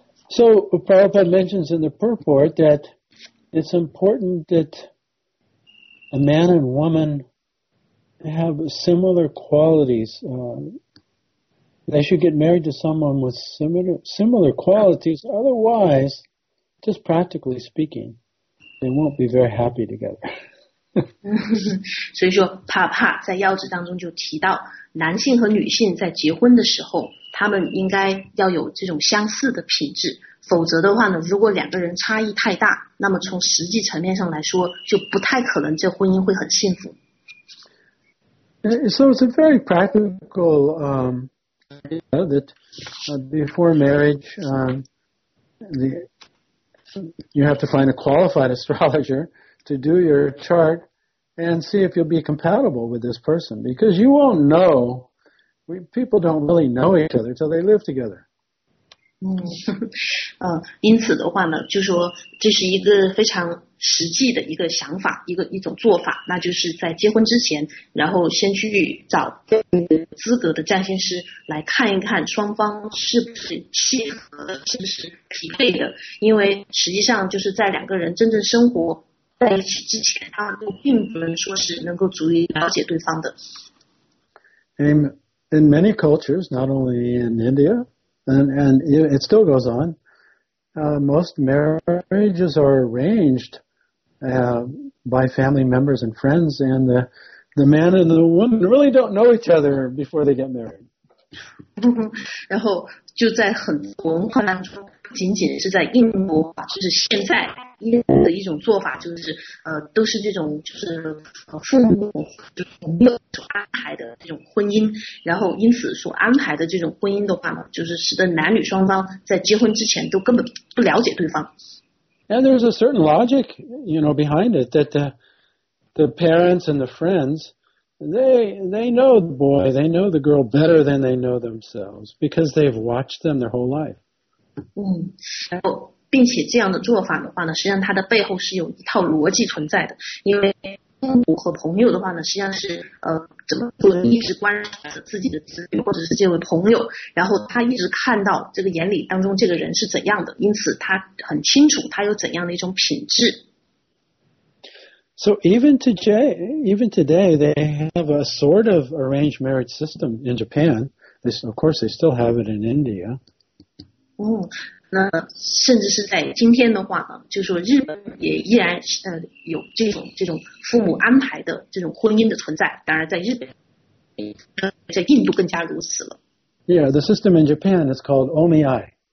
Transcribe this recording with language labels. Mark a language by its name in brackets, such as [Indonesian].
[English] So, Prabhupada mentions in the purport that it's important that a man and womanhave similar qualities. They should get married to someone with similar qualities. Otherwise, just practically speaking, they won't be very happy together. [Chinese] 所以说帕帕在要旨当中就提到，男性和女性在结婚的时候，他们应该要有这种相似的品质。否则的话呢，如果两个人差异太大，那么从实际层面上来说，就不太可能这婚姻会很幸福。 [English] So it's a very practical idea that before marriage, you have to find a qualified astrologer to do your chart and see if you'll be compatible with this person. Because you won't know, people don't really know each other until they live together. [Chinese] 因此的话呢，就说这是一个非常实际的一个想法，一种做法，那就是在结婚之前，然后先去找资格的占星师来看一看双方是不是契合，是不是匹配的。因为实际上就是在两个人真正生活在一起之前，他们并不能说是能够足以了解对方的。 [English] In many cultures, not only in India. And it still goes on. Most marriages are arranged by family members and friends, and the man and the woman really don't know each other before they get married. [Chinese] 然后就在很文化当中，仅仅是在印度，就是现在的一种做法，就是都是这种就是父母就是所安排的这种婚姻，然后因此所安排的这种婚姻的话呢，就是使得男女双方在结婚之前都根本不了解对方。 [English] And there's a certain logic, you know, behind it that the parents and the friends, they know the boy, they know the girl better than they know themselves because they've watched them their whole life. [Chinese] 然后并且这样的做法的话呢，实际上它的背后是有一套逻辑存在的，因为父母和朋友的话呢，实际上是怎么说，一直观察着自己的子女或者是这位朋友，然后他一直看到这个眼里当中这个人是怎样的，因此他很清楚他有怎样的一种品质。 [English] So even today, they have a sort of arranged marriage system in Japan. This, of course, they still have it in India. [Chinese] 那甚至是在今天的话呢，就是说日本也依然有这种父母安排的这种婚姻的存在。当然，在日本，在印度更加如此了。 [English] Yeah, the system in Japan is called omiai.